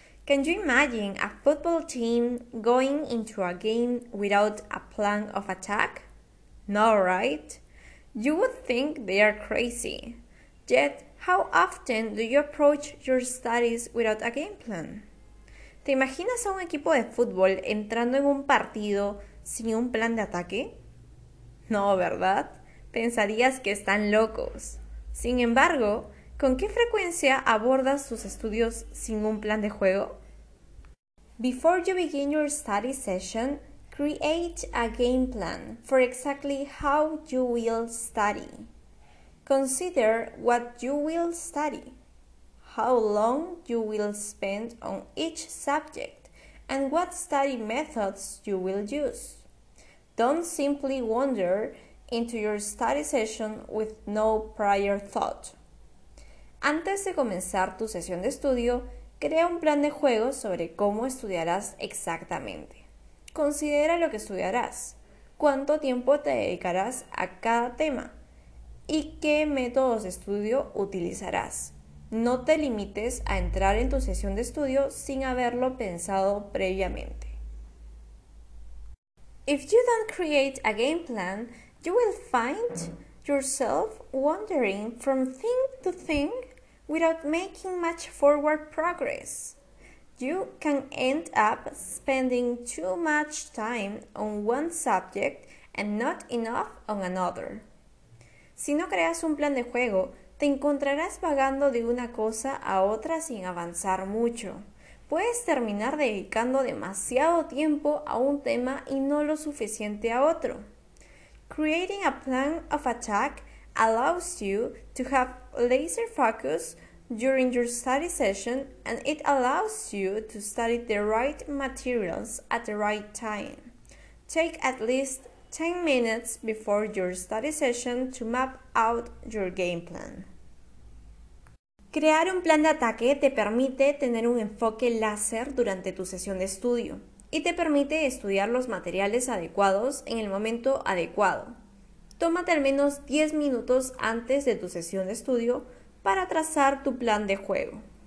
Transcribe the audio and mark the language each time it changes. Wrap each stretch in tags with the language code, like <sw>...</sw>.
<en>Can you imagine a football team going into a game without a plan of attack? No, right? You would think they are crazy. Yet, how often do you approach your studies without a game plan?</en> <es>¿Te imaginas a un equipo de fútbol entrando en un partido sin un plan de ataque? No, ¿verdad? Pensarías que están locos. Sin embargo, ¿con qué frecuencia abordas tus estudios sin un plan de juego?</es> <en>Before you begin your study session, create a game plan for exactly how you will study. Consider what you will study, how long you will spend on each subject, and what study methods you will use. Don't simply wander into your study session with no prior thought.</en> <es>Antes de comenzar tu sesión de estudio, crea un plan de juego sobre cómo estudiarás exactamente. Considera lo que estudiarás, cuánto tiempo te dedicarás a cada tema y qué métodos de estudio utilizarás. No te limites a entrar en tu sesión de estudio sin haberlo pensado previamente.</es> <en>If you don't create a game plan, you will find yourself wandering from thing to thing without making much forward progress. You can end up spending too much time on one subject and not enough on another.</en> <es>Si no creas un plan de juego, te encontrarás vagando de una cosa a otra sin avanzar mucho. Puedes terminar dedicando demasiado tiempo a un tema y no lo suficiente a otro.</es> <en>Creating a plan of attack allows you to have laser focus during your study session, and it allows you to study the right materials at the right time. Take at least 10 minutes before your study session to map out your game plan.</en> <es>Crear un plan de ataque te permite tener un enfoque láser durante tu sesión de estudio y te permite estudiar los materiales adecuados en el momento adecuado. Tómate al menos 10 minutos antes de tu sesión de estudio para trazar tu plan de juego.</es>